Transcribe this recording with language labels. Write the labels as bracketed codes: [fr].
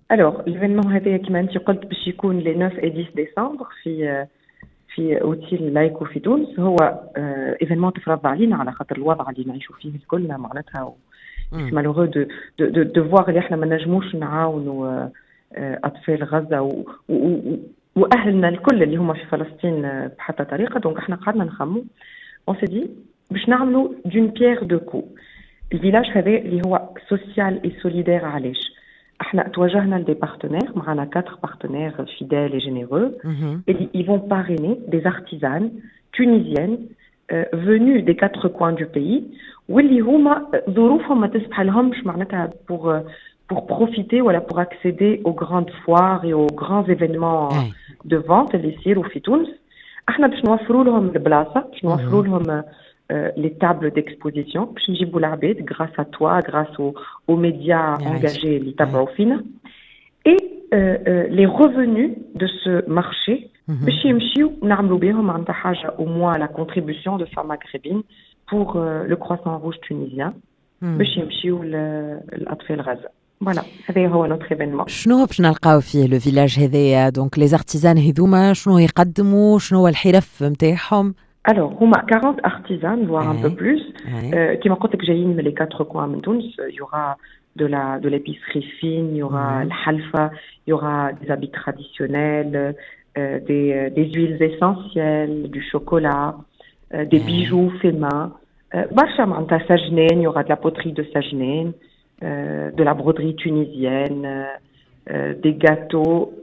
[ar] الوغ ليفينمون هذايا كيما انت قلت باش يكون لي 9 و 10 ديسمبر في اوتيل لايكو في تونس. هو ايفينمون تفرض علينا على خاطر الوضع اللي نعيشوا فيه الكل، معناتها مالوغو دو فوار اللي احنا ما نجموش نعاونوا أطفال غزة وأهلنا الكل اللي هما في فلسطين بحتى طريقة. [fr] دونك احنا قعدنا نخمو on s'est dit باش نعملو d'une pierre deux coups. [ar] الفيلاج هذا اللي هو سوسيال اي سوليدير، علاش احنا توجهنا لدي بارتنير، معنا 4 بارتنير فيدال اي جينيرو اللي يفون باريني دي ارتيزان تونيزيان venu des quatre coins du pays واللي هما ظروفهم ما تسمحلهمش معناتها pour profiter voilà pour accéder aux grandes foires et aux grands événements de vente les sir ou fitouns. [fr] احنا باش نوفروا لهم البلاصه، باش نوفروا لهم les tables d'exposition، باش نجيبوا العباد grâce à toi grâce aux médias engagés اللي تبعوا فينا، et les revenus de ce marché باش يمشيو نعملوا بهم عند حاجه au moins la contribution de femmes maghrébines pour le croissant rouge tunisien باش يمشيو للاطفال غزه. Voilà, c'est notre événement. Qu'est-ce qu'on va trouver dans le village هذايا؟ Donc les artisans هذوما شنو يقدموا؟ شنو هو الحرف نتاعهم؟ Alors, هما 40 artisans voire un peu plus. [ar] كيما قلت لك جايين من les quatre coins de Tunis. [fr] Il y aura de l'épicerie fine, il y aura الحلفه, il y aura des habits traditionnels, des huiles essentielles, du chocolat, des bijoux faits main. برشا معناتها سجنين، il y aura de la poterie de سجنين. De la broderie tunisienne, des gâteaux.